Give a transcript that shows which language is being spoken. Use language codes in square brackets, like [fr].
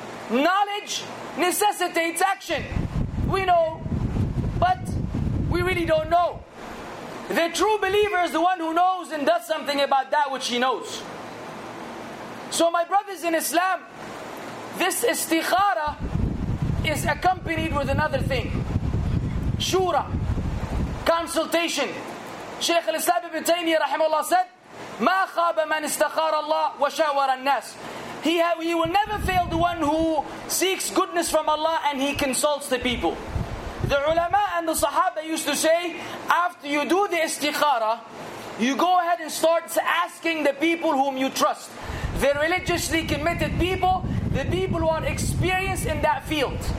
[en] Knowledge necessitates action. We know, but we really don't know. The true believer is the one who knows and does something about that which he knows. So my brothers in Islam, this istikhara is accompanied with another thing. Shura, consultation. Shaykh al-Islam ibn Taymiyyah rahimahullah said, [ar] مَا خَابَ مَنْ إِسْتَخَارَ اللَّهِ وَشَاوَرَ النَّاسِ. [en] He will never fail the one who seeks goodness from Allah and he consults the people. The ulama and the sahaba used to say, after you do the istikhara, you go ahead and start asking the people whom you trust. The religiously committed people, the people who are experienced in that field.